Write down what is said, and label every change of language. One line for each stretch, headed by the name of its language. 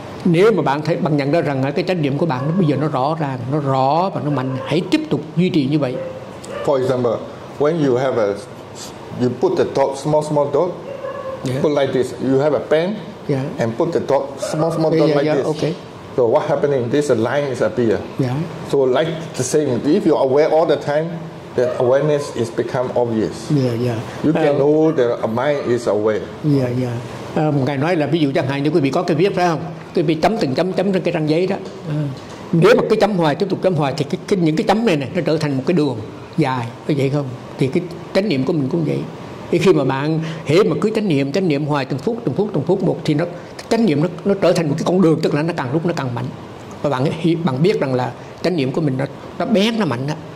Vietnamese: Nếu mà bạn thấy bạn nhận ra rằng cái chánh niệm của bạn nó bây giờ nó rõ ràng, nó rõ và nó mạnh, hãy tiếp tục duy trì như vậy.
English: For example, when you have you put the thought small dot, put like this, you have a pen, and put the thought small dot like this. Okay. So what happening? This line is appear. Yeah. So like the same, if you are aware all the time, that awareness is become obvious. Yeah, yeah. You can know that a mind is aware. Yeah, yeah.
Vietnamese: Ngài nói là ví dụ chẳng hạn như quý vị có cái viết phải không? Cái bị chấm từng chấm chấm trên cái răng giấy đó, nếu mà cái chấm hoài tiếp tục chấm hoài thì cái những cái chấm này này nó trở thành một cái đường dài, có vậy không? Thì cái chánh niệm của mình cũng vậy. Thì khi mà bạn hễ mà cứ chánh niệm hoài từng phút một thì nó chánh niệm nó trở thành một cái con đường, tức là nó càng lúc nó càng mạnh và bạn biết rằng là chánh niệm của mình nó bén, nó mạnh đó.